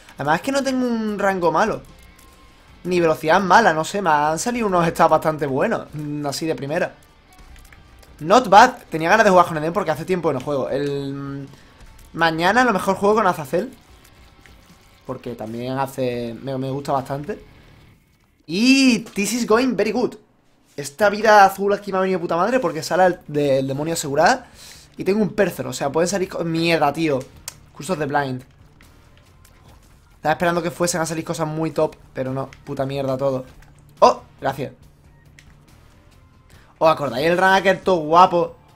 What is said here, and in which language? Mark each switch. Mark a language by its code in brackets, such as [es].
[es] Además es que no tengo un rango malo. Ni velocidad mala, no sé. Me han salido unos stats bastante buenos. Así de primera. [en] Not bad. [es] Tenía ganas de jugar con Eden porque hace tiempo que no juego. El mañana a lo mejor juego con Azazel. Porque también hace. Me gusta bastante. [en] Y this is going very good. [es] Esta vida azul aquí me ha venido puta madre porque sale del demonio asegurada. Y tengo un Perthrow, o sea, pueden salir con... ¡Mierda, tío! Cursos de Blind. Estaba esperando que fuesen a salir cosas muy top, pero no. Puta mierda todo. ¡Oh! Gracias. ¿Os acordáis el run hacker todo guapo?